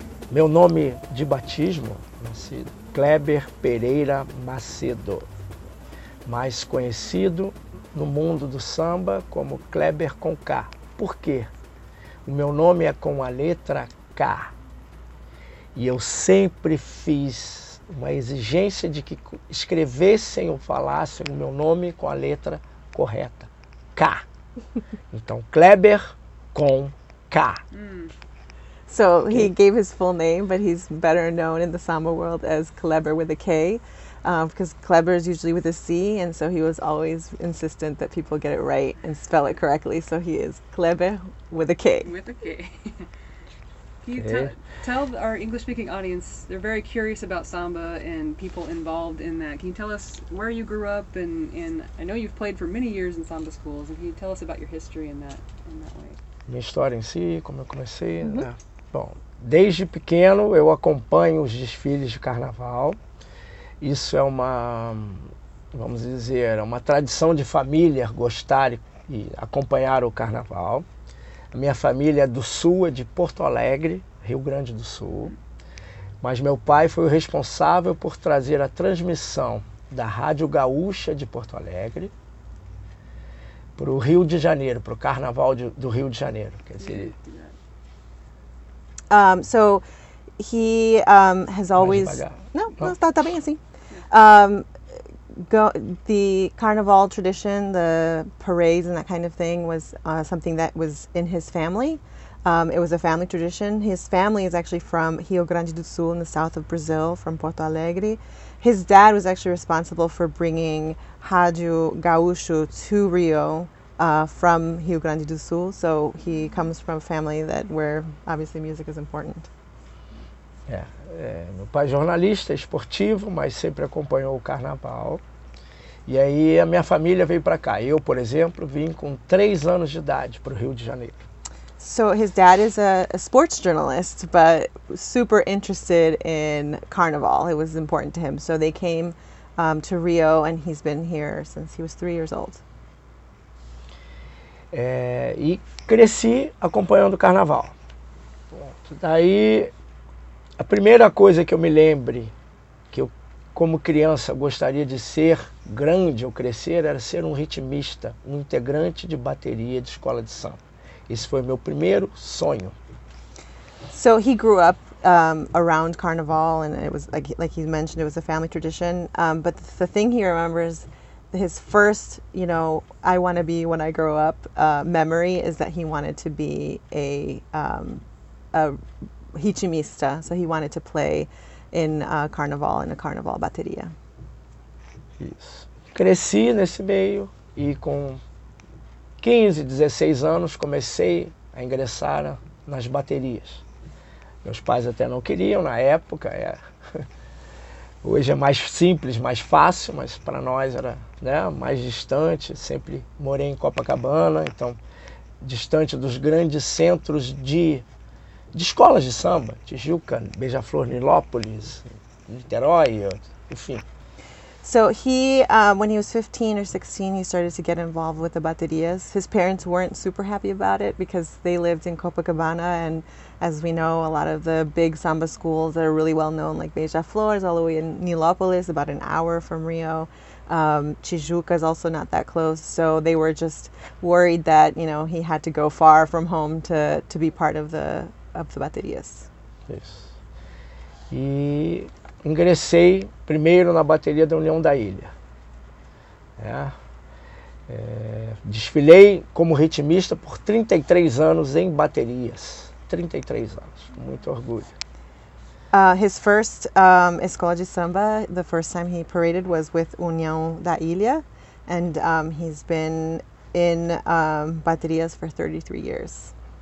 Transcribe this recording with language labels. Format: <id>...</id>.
<pt>Meu nome de batismo, nascido, Kleber Pereira Macedo, mais conhecido no mundo do samba como Kleber Komká. Por quê? O meu nome é com a letra K. E eu sempre fiz uma exigência de que escrevessem ou falassem o meu nome com a letra correta. K. Então, Kleber Komká.</pt> <en>So he gave his full name, but he's better known in the samba world as Kleber with a K, because Kleber is usually with a C, and so he was always insistent that people get it right and spell it correctly. So he is Kleber with a K. With a K. Can you tell our English-speaking audience, they're very curious about samba and people involved in that. Can you tell us where you grew up? And I know you've played for many years in samba schools. And can you tell us about your history in that way?</en> <pt>Minha história em si, como eu comecei. Mm-hmm. Né? Bom, desde pequeno eu acompanho os desfiles de carnaval. Isso é uma, vamos dizer, uma tradição de família gostar e acompanhar o carnaval. A minha família é do Sul, é de Porto Alegre, Rio Grande do Sul. Mas meu pai foi o responsável por trazer a transmissão da Rádio Gaúcha de Porto Alegre para o Rio de Janeiro, para o Carnaval do Rio de Janeiro. Quer dizer,</pt> <en>So he has always the carnival tradition, the parades and that kind of thing was something that was in his family. It was a family tradition. His family is actually from Rio Grande do Sul in the south of Brazil, from Porto Alegre. His dad was actually responsible for bringing Rádio Gaúcho to Rio from Rio Grande do Sul. So he comes from a family that where obviously music is important. Yeah.</en> <pt>É, meu pai é jornalista, esportivo, mas sempre acompanhou o carnaval. E aí a minha família veio para cá. Eu, por exemplo, vim com 3 anos de idade para o Rio de Janeiro.</pt> <en>So his dad is a sports journalist, but super interested in carnival. It was important to him. So they came to Rio and he's been here since he was 3 years old.</en> <pt>É, e cresci acompanhando o carnaval. Pronto. Daí a primeira coisa que eu me lembre, que eu, como criança, gostaria de ser grande ou crescer, era ser um ritmista, um integrante de bateria de escola de samba. Esse foi meu primeiro sonho.</pt> <en>So he grew up around carnival, and it was like he mentioned, it was a family tradition. But the thing he remembers, his first, you know, I want to be when I grow up memory, is that he wanted to be a ritmista, so he wanted to play in a carnaval, in a carnaval bateria.</en> <pt>Isso. Cresci nesse meio e com 15, 16 anos comecei a ingressar nas baterias. Meus pais até não queriam na época, hoje é mais simples, mais fácil, mas para nós era, né, mais distante. Sempre morei em Copacabana, então distante dos grandes centros de escolas de samba, Tijuca, Beija-Flor, Nilópolis, Niterói, enfim.</pt> <en>So he, when he was 15 or 16, he started to get involved with the baterias. His parents weren't super happy about it because they lived in Copacabana, and as we know, a lot of the big samba schools that are really well known, like Beija-Flor, is all the way in Nilópolis, about an hour from Rio. Tijuca is also not that close, so they were just worried that, you know, he had to go far from home to be part of the baterias.</en> <pt>Isso. E ingressei primeiro na bateria da União da Ilha. É. É, desfilei como ritmista por 33 anos em baterias. 33 anos, com muito orgulho.</pt> <en>His first escola de samba, the first time he paraded was with União da Ilha, and he's been in baterias for 33 years.</en>